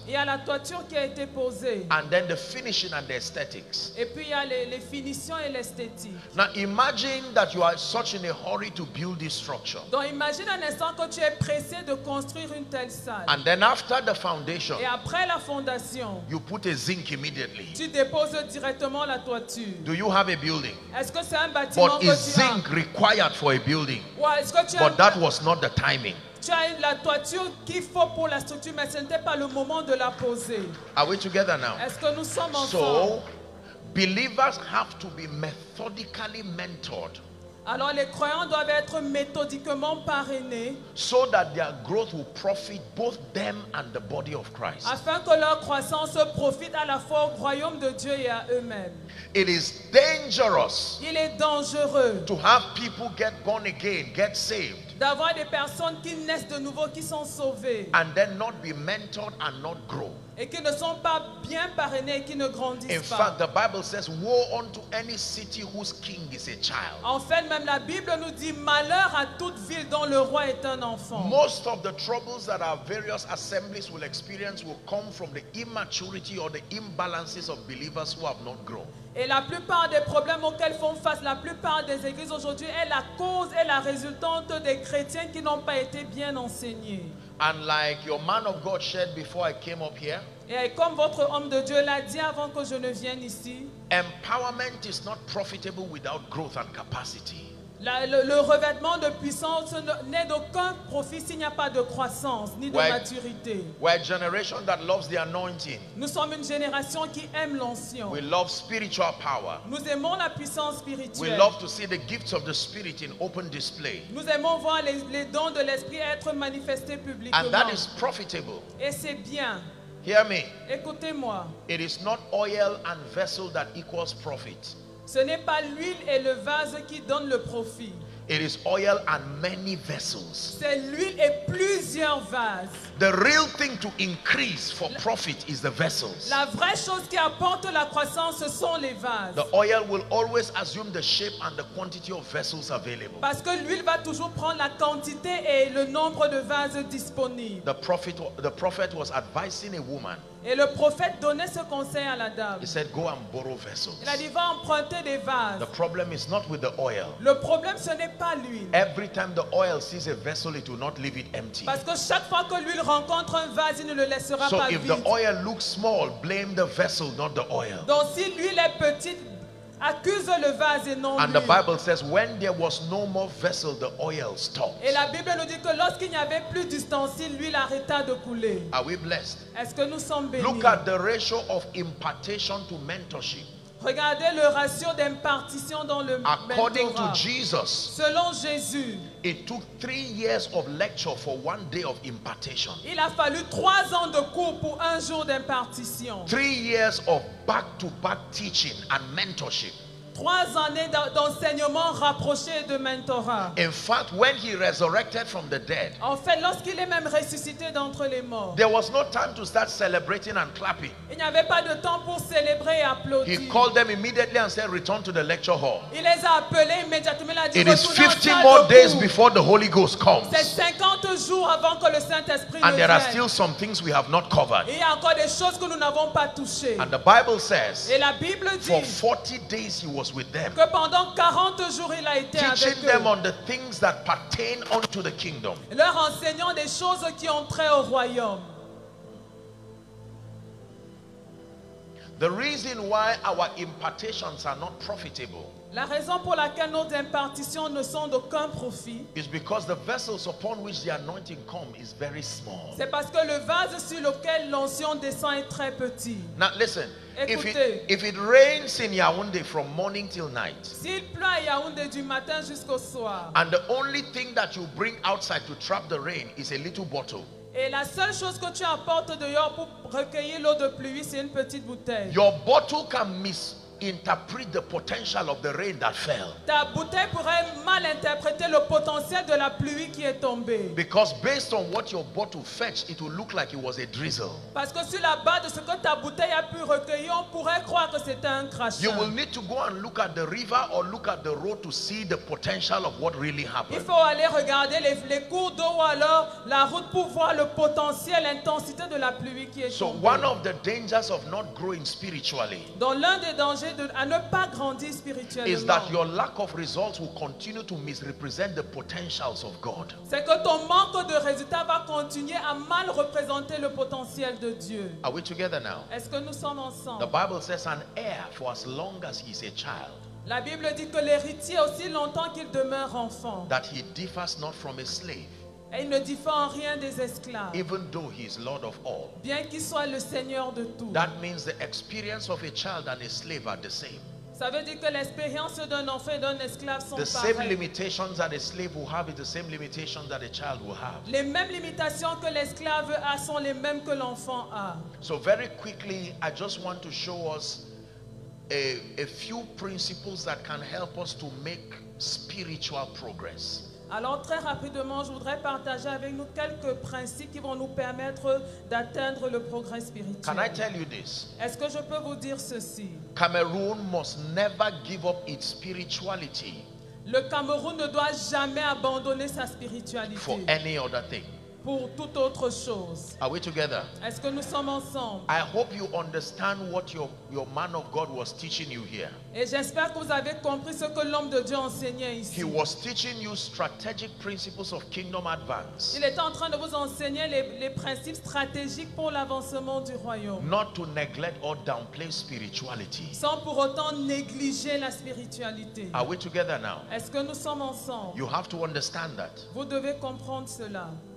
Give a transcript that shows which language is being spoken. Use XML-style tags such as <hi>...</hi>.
<fr>Il y a la toiture qui a été posée.</fr> <en>And then the finishing and the aesthetics.</en> <fr>Et puis il y a les finitions et l'esthétique.</fr> <en>Now imagine that you are such in a hurry to build this structure.</en> <fr>Donc imagine un instant que tu es pressé de construire une telle salle.</fr> <en>And then after the foundation,</en> <fr>et après la fondation,</fr> <en>you put a zinc immediately.</en> <fr>Tu déposes directement la toiture.</fr> <en>Do you have a building?</en> <fr>Est-ce que c'est un bâtiment?</fr> <en>But</en> <fr>que</fr> <en>is zinc required for a building?</en> <fr>Ouais, est-ce que tu</fr> <en>but that was not the timing.</en> <fr>Tu as la toiture qu'il faut pour la structure, mais ce n'était pas le moment de la poser.</fr> <en>Are we together now?</en> <fr>Est-ce que nous sommes ensemble?</fr> <en>So, believers have to be methodically mentored.</en> <fr>Alors les croyants doivent être méthodiquement parrainés.</fr> <en>So that their growth will profit both them and the body of Christ.</en> <fr>Afin que leur croissance profite à la fois au royaume de Dieu et à eux-mêmes.</fr> <en>It is dangerous.</en> <fr>Il est dangereux.</fr> <en>To have people get born again, get saved.</en> <fr>D'avoir des personnes qui naissent de nouveau, qui sont sauvées.</fr> <en>And then not be mentored and not grow.</en> <fr>Et qui ne sont pas bien parrainés et qui ne grandissent</fr> <en>in</en> <fr>pas.</fr> <en>In fact, the Bible says, "Woe unto any city whose king is a child."</en> <fr>En fait, même la Bible nous dit malheur à toute ville dont le roi est un enfant.</fr> <en>Most of the troubles that our various assemblies will experience will come from the immaturity or the imbalances of believers who have not grown.</en> <fr>Et la plupart des problèmes auxquels font face la plupart des églises aujourd'hui est la cause et la résultante des chrétiens qui n'ont pas été bien enseignés.</fr> <en>And like your man of God shared before I came up here.</en> <fr>Et comme votre homme de Dieu l'a dit avant que je ne vienne ici.</fr> <en>Empowerment is not profitable without growth and capacity.</en> <fr>Le revêtement de puissance n'est d'aucun profit s'il n'y a pas de croissance ni de maturité.</fr> <en>We're a generation that loves the anointing.</en> <fr>Nous sommes une génération qui aime l'onction.</fr> <en>We love spiritual power.</en> <fr>Nous aimons la puissance spirituelle.</fr> <en>We love to see the gifts of the spirit in open display.</en> <fr>Nous aimons voir les dons de l'esprit être manifestés publiquement.</fr> <en>And that is profitable.</en> <fr>Et c'est bien.</fr> <en>Hear me.</en> <fr>Écoutez-moi.</fr> <en>It is not oil and vessel that equals profit.</en> <fr>Ce n'est pas l'huile et le vase qui donnent le profit.</fr> <en>It is oil and many vessels.</en> <fr>C'est l'huile et plusieurs vases.</fr> <en>The real thing to increase for profit is the vessels.</en> <fr>La vraie chose qui apporte la croissance, ce sont les vases.</fr> <en>The oil will always assume the shape and the quantity of vessels available.</en> <fr>Parce que l'huile va toujours prendre la quantité et le nombre de vases disponibles.</fr> <en>The prophet was advising a woman.</en> <fr>Et le prophète donnait ce conseil à la dame.</fr> <en>He said, "Go and borrow vessels."</en> <fr>Il a dit, va emprunter des vases.</fr> <en>The problem is not with the oil.</en> <fr>Le problème, ce n'est pas l'huile.</fr> <en>Every time the oil sees a vessel, it will not leave it empty.</en> <fr>Parce que chaque fois que l'huile rencontre un vase, il ne le laissera</fr> <en>so vide. So if the oil looks small, blame the vessel, not the oil.</en> <fr>Donc si l'huile est petite, accuse le vase et non l'huile.</fr> <en>And the Bible says, when there was no more vessel, the oil stopped.</en> <fr>Et la Bible nous dit que lorsqu'il n'y avait plus d'ustensiles, l'huile arrêta de couler.</fr> <en>Are we blessed?</en> <fr>Est-ce que nous sommes bénis?</fr> <en>Look at the ratio of impartation to mentorship.</en> <fr>Regardez le ratio d'impartition dans le mentorat.</fr> <en>According to Jesus,</en> <fr>selon Jésus,</fr> <en>it took 3 years of lecture for 1 day of impartation.</en> <fr>Il a fallu 3 ans de cours pour un jour d'impartition.</fr> <en>3 years of back-to-back teaching and mentorship.</en> <fr>3 années d'enseignement rapproché de mentorat.</fr> <en>In fact, when he resurrected from the dead,</en> <fr>en fait, lorsqu'il est même ressuscité d'entre les morts,</fr> <en>there was no time to start celebrating and clapping.</en> <fr>Il n'y avait pas de temps pour célébrer et applaudir.</fr> <en>He called them immediately and said, "Return to the lecture hall."</en> <fr>Il les a appelés immédiatement. Il a dit,</fr> <en>"It is 50 more days before the Holy Ghost comes."</en> <fr>C'est 50 jours avant que le Saint-Esprit vienne.</fr> <en>And there are still some things we have not covered.</en> <fr>Il y a encore des choses que nous n'avons pas touchées.</fr> <en>And the Bible says,</en> <fr>et la Bible dit,</fr> <en>for 40 days he was with them,</en> <fr>que pendant 40 jours il a été</fr> <en>teaching</en> <fr>avec</fr> <en>them</en> <fr>eux,</fr> <en>on the things that pertain unto the kingdom,</en> <fr>leur enseignant des choses qui ont trait au royaume.</fr> <en>The reason why our impartations are not profitable,</en> <fr>la raison pour laquelle nos impartitions ne sont d'aucun profit,</fr> <en>is because the vessels upon which the anointing comes is very small.</en> <fr>C'est parce que le vase sur lequel l'onction descend est très petit.</fr> <en>Now listen.</en> <fr>Écoutez,</fr> <en>if it rains in Yaoundé from morning till night,</en> <fr>s'il pleut à Yaoundé du matin jusqu'au soir,</fr> <en>and the only thing that you bring outside to trap the rain is a little bottle,</en> <fr>et la seule chose que tu apportes dehors pour recueillir l'eau de pluie, c'est une petite bouteille,</fr> <en>your bottle can misinterpret the potential of the rain that fell.</en> <fr>Ta bouteille pourrait mal interpréter le potentiel de la pluie qui est tombée.</fr> <en>Because based on what your bottle fetched, it will look like it was a drizzle.</en> <fr>Parce que sur la base de ce que ta bouteille a pu recueillir, on pourrait croire que c'était un crachin.</fr> <en>You will need to go and look at the river or look at the road to see the potential of what really happened.</en> <fr>Il faut aller regarder les cours d'eau ou alors la route pour voir le potentiel, l'intensité de la pluie qui est tombée.</fr> <en>So one of the dangers of not growing spiritually,</en> <fr>dans l'un des dangers à ne pas grandir spirituellement,</fr> <en>is that your lack of results will continue to misrepresent the potentials of God.</en> <fr>C'est que ton manque de résultats va continuer à mal représenter le potentiel de Dieu.</fr> <en>Are we together now?</en> <fr>Est-ce que nous sommes ensemble?</fr> <en>The Bible says an heir for as long as he is a child.</en> <fr>La Bible dit que l'héritier aussi longtemps qu'il demeure enfant.</fr> <en>That he differs not from a slave.</en> <fr>Et il ne diffère en rien des esclaves.</fr> <en>Even though he is Lord of all.</en> <fr>Bien qu'il soit le Seigneur de tout.</fr> <en>That means the experience of a child and a slave are the same.</en> <fr>Ça veut dire que l'expérience d'un enfant et d'un esclave sont</fr> <en>the</en> <fr>pareilles.</fr> <en>The same limitations that a slave will have is the same limitations that a child will have.</en> <fr>Les mêmes limitations que l'esclave a sont les mêmes que l'enfant a.</fr> <en>So very quickly, I just want to show us a few principles that can help us to make spiritual progress.</en> <fr>Alors très rapidement, je voudrais partager avec nous quelques principes qui vont nous permettre d'atteindre le progrès spirituel.</fr> <en>Can I tell you this?</en> <fr>Est-ce que je peux vous dire ceci?</fr> <en>Cameroon must never give up its spirituality.</en> <fr>Le Cameroun ne doit jamais abandonner sa spiritualité.</fr> <en>For any other thing.</en> <fr>pour toute autre chose.</fr> <en>Are we together?</en> <fr>Est-ce que nous sommes ensemble?</fr> <en>I hope you understand what your man of God was teaching you here.</en> <fr>Et j'espère que vous avez compris ce que l'homme de Dieu enseignait ici.</fr> <en>He was teaching you strategic principles of kingdom advance.</en> <fr>Il était en train de vous enseigner les principes stratégiques pour l'avancement du royaume.</fr> <en>Not to neglect or downplay spirituality.</en> <fr>Sans pour autant négliger la spiritualité.</fr> <en>Are we together now?</en> <fr>Est-ce que nous sommes ensemble?</fr> <en>You have to understand that.</en> <fr>Vous devez comprendre cela.</fr>